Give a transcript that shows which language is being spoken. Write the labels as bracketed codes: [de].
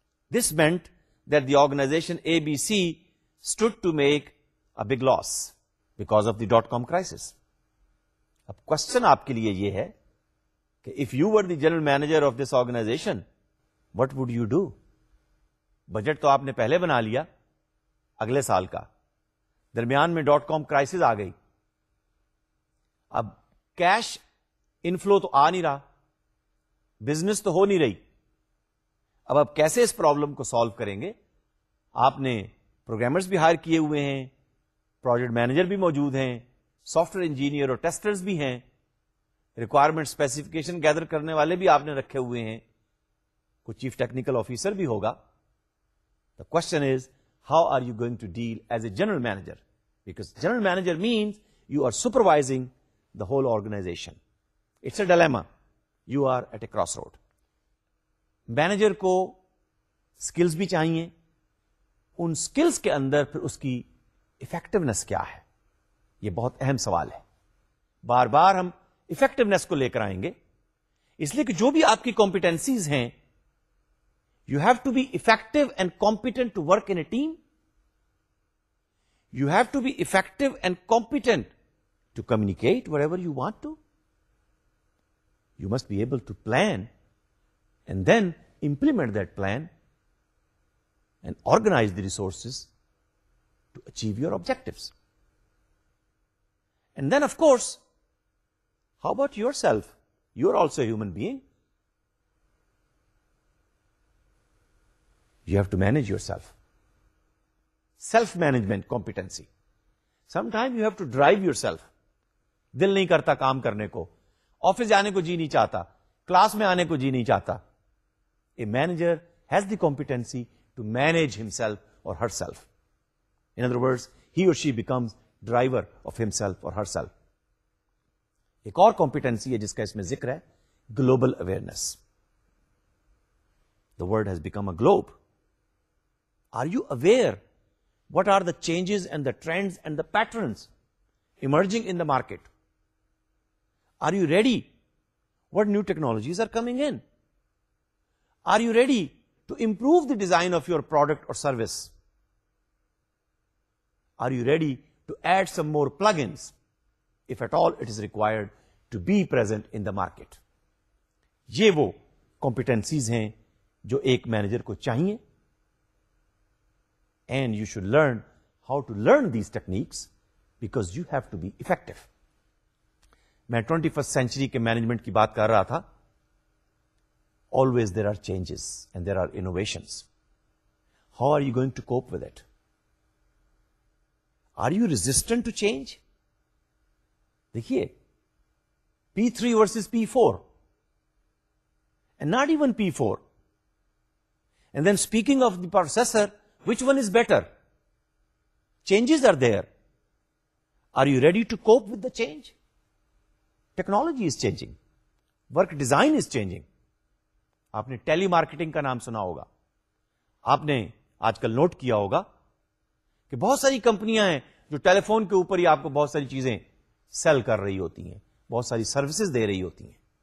[en] This meant that the organization ABC stood to make a big loss because of the dot-com crisis. [ur] Ab question aapke liye ye hai ki [en] if you were the general manager of this organization, what would you do? [ur] Budget to aapne pehle bana liya agle saal ka, darmiyan mein dot-com crisis aa gayi, ab cash inflow to aa nahi raha, business تو ہو نہیں رہی، اب کیسے اس problem کو solve کریں گے؟ آپ نے پروگرامرز بھی ہائر کیے ہوئے ہیں، پروجیکٹ مینیجر بھی موجود ہیں، سافٹ ویئر انجینئر اور ٹیسٹرز بھی ہیں، ریکوائرمنٹ اسپیسیفکیشن گیدر کرنے والے بھی آپ نے رکھے ہوئے ہیں، کوئی چیف ٹیکنیکل آفیسر بھی ہوگا. [en] The question is how are you going to deal as a general manager, because general manager means you are supervising the whole organization. It's a dilemma. You are at a crossroad. [ur] Manager کو skills بھی چاہیے، ان skills کے اندر پھر اس کی effectiveness کیا ہے؟ یہ بہت اہم سوال ہے. بار بار ہم effectiveness کو لے کر آئیں گے، اس لیے کہ جو بھی آپ کی competencies ہیں، [en] you have to be effective and competent to work in a team you have to be effective and competent to communicate whatever you want to. You must be able to plan and then implement that plan and organize the resources to achieve your objectives. And then, of course, how about yourself? You're also a human being. You have to manage yourself. Self-management competency. Sometimes you have to drive yourself. [ur] دل نہیں کرتا کام کرنے کو, office جانے کو جی نہیں چاہتا, class میں آنے کو جی نہیں چاہتا. [en] A manager has the competency to manage himself or herself. In other words, he or she becomes driver of himself or herself. [ur] ایک اور کمپیٹنسی ہے جس کا اس میں ذکر ہے, global awareness. [en] The world has become a globe. Are you aware what are the changes and the trends and the patterns emerging in the market? Are you ready? What new technologies are coming in? Are you ready to improve the design of your product or service? Are you ready to add some more plugins, if at all it is required, to be present in the market? [ur] Ye wo competencies hain jo ek manager ko chahiye. [en] And you should learn how to learn these techniques, because you have to be effective. [ur] میں 21st century کے management کی بات کر رہا تھا. [en] Always there are changes and there are innovations. How are you going to cope with it? Are you resistant to change? دیکھیے, P3 versus P4 and not even P4. And then speaking of the processor, which one is better? Changes are there. Are you ready to cope with the change? Technology is changing. Work design is changing. [ur] آپ نے ٹیلی marketing کا نام سنا ہوگا. آپ نے آج کل نوٹ کیا ہوگا کہ بہت ساری کمپنیاں ہیں جو ٹیلیفون کے اوپر ہی آپ کو بہت ساری چیزیں سیل کر رہی ہوتی ہیں, بہت ساری سروسز دے رہی ہوتی ہیں.